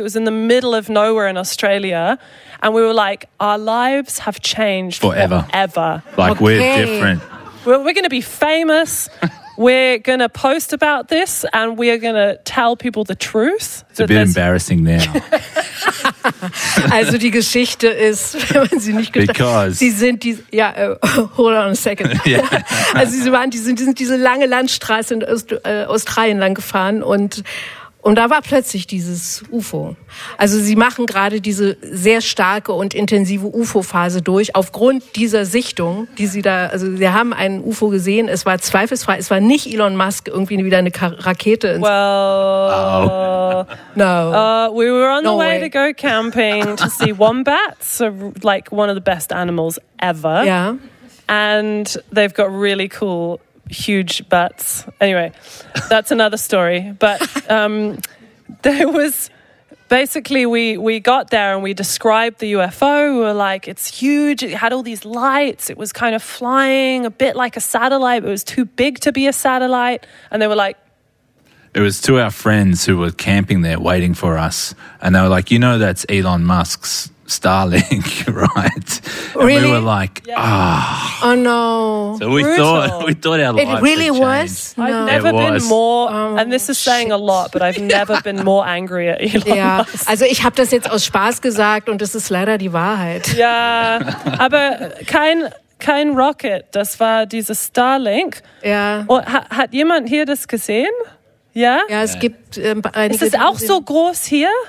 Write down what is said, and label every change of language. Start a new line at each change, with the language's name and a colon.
English: It was in the middle of nowhere in Australia. And we were like, our lives have changed forever. Like, We're different. We're going to be famous. We're going to post about this and we are going to tell people the truth. It's a bit embarrassing now.
German: Also die Geschichte ist, wenn man sie nicht gedacht hat, sie sind diese, ja,
English: hold on a second. Yeah.
German: Also sie sind diese lange Landstraße in Australien lang gefahren und da war plötzlich dieses UFO. Also sie machen gerade diese sehr starke und intensive UFO-Phase durch, aufgrund dieser Sichtung, die sie da, also sie haben ein UFO gesehen, es war zweifelsfrei, es war nicht Elon Musk, irgendwie wieder eine Rakete.
English: We were on the way to go camping to see wombats, like one of the best animals ever. Yeah. And they've got really cool huge butts. Anyway, that's another story. But there was basically we got there and we described the UFO. We were like, it's huge. It had all these lights. It was kind of flying a bit like a satellite. But it was too big to be a satellite. And they were like, it was to our friends who were camping there waiting for us. And they were like, you know, that's Elon Musk's Starlink, right? Really? And we were like, oh no. So we thought our lives It really had was? No. I've never been more, and this is saying a lot, but I've never been more angry at Elon Musk. Yeah.
German: Also ich habe das jetzt aus Spaß gesagt und das ist leider die Wahrheit. Yeah, aber kein Rocket, das war dieser Starlink.
English: Yeah.
German: Und hat jemand hier das gesehen? Yeah? Ja, es gibt einige. Ist das auch so groß hier?